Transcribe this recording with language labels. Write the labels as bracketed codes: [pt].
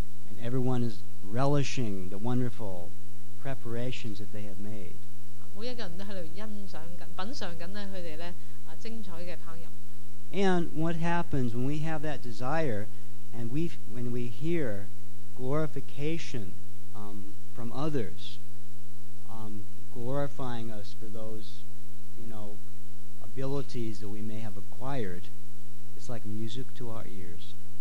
[en] and everyone is relishing the wonderful preparations that they have made. [zh] 每一个人都在欣赏、品尝他们精彩的烹饪。 [en] And what happens when we have that desire and when we hear glorification from others, glorifying us for those, you know, abilities that we may have acquired, it's like music to our ears.